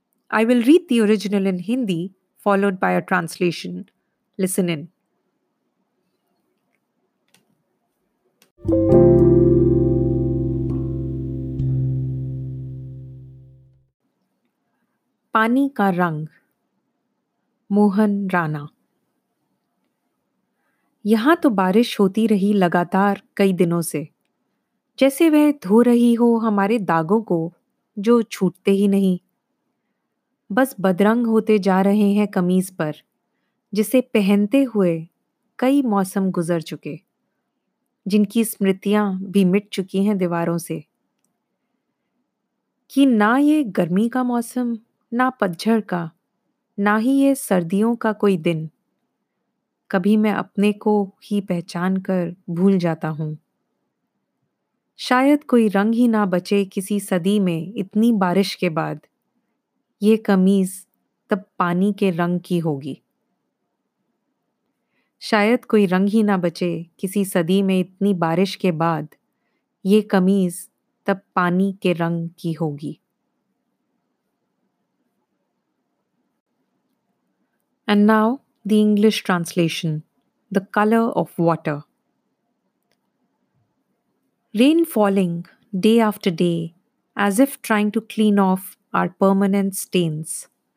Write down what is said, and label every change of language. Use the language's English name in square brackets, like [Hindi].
[English] I will read the original in Hindi, followed by a translation. Listen in. [Hindi] Pani Ka Rang, Mohan Rana. यहां तो बारिश होती रही लगातार कई दिनों से, जैसे वह धो रही हो हमारे दागों को जो छूटते ही नहीं। बस बदरंग होते जा रहे हैं कमीज पर, जिसे पहनते हुए कई मौसम गुजर चुके, जिनकी स्मृतियां भी मिट चुकी हैं दीवारों से। कि ना ये गर्मी का मौसम, ना पतझड़ का, ना ही ये सर्दियों का कोई दिन। कभी मैं अपने को ही पहचान कर भूल जाता हूँ। शायद कोई रंग ही ना बचे किसी सदी में इतनी बारिश के बाद। ये कमीज तब पानी के रंग की होगी। शायद कोई रंग ही ना बचे किसी सदी में इतनी बारिश के बाद। ये कमीज तब पानी के रंग की होगी। [English] And now, the English translation, The Color of Water. Rain falling day after day, as if trying to clean off our permanent stains.